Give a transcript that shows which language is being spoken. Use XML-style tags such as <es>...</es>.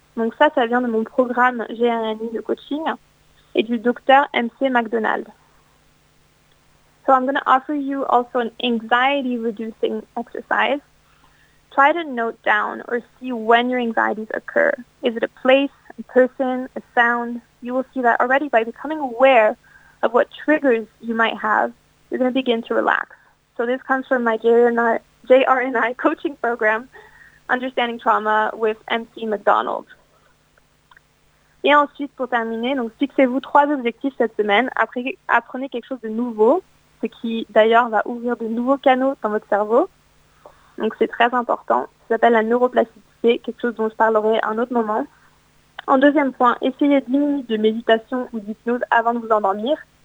<fr>Donc ça, ça vient de mon programme GRNI de coaching et du docteur MC McDonald.</fr> <en>So I'm going to offer you also an anxiety reducing exercise. Try to note down or see when your anxieties occur. Is it a place, a person, a sound? You will see that already by becoming aware of what triggers you might have, you're going to begin to relax. So this comes from my JRNI coaching program, Understanding Trauma with MC McDonald.</en> <fr>Et ensuite, pour terminer, donc fixez-vous trois objectifs cette semaine. Apprenez quelque chose de nouveau, ce qui d'ailleurs va ouvrir de nouveaux canaux dans votre cerveau. Donc c'est très important. Ça s'appelle la neuroplasticité, quelque chose dont je parlerai à un autre moment. En deuxième point, essayez 10 minutes de méditation ou d'hypnose avant de vous endormir.</fr>